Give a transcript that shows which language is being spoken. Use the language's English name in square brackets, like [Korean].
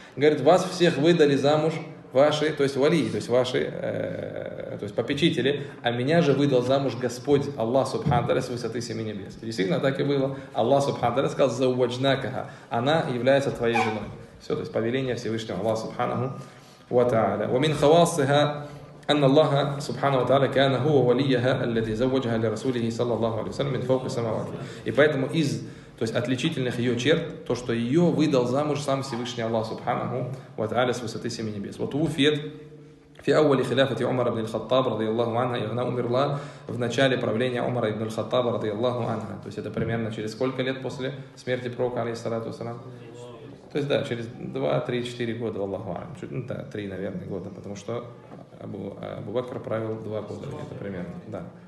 [Russian] Говорит, вас всех выдали замуж ваши, то есть валии, то есть ваши то есть попечители, а меня же выдал замуж Господь Аллах Субхану Тааля с высоты семи небес. Действительно так и было. Аллах Субхану Тааля сказал, «Заводжнакаха, она является твоей женой». Все, то есть повеление Всевышнего Аллаха Субханаху ва тааля. [Arabic] «Ва мин хавасиха». أن الله سبحانه وتعالى كان هو وليها الذي زوجها لرسوله صلى الله عليه وسلم من فوق السماوات. [Russian] И поэтому из, то есть отличительных ее черт, то что ее выдал замуж сам Всевышний Аллах [Arabic] سبحانه وتعالى [Russian] с высоты семи небес. [Arabic] Вот уфет في أول خلافة عمر بن الخطاب رضي الله عنه. [Russian] И она умерла в начале правления [Arabic] عمر بن الخطاب رضي الله عنه. [Russian] То есть это примерно через сколько лет после смерти пророка алейхиссалату вассалям? То есть да, через 2-3-4 года, Аллаху а'лам. Ну да, 3, наверное, года, потому что Абу Бакр правил 2 года, это примерно, да.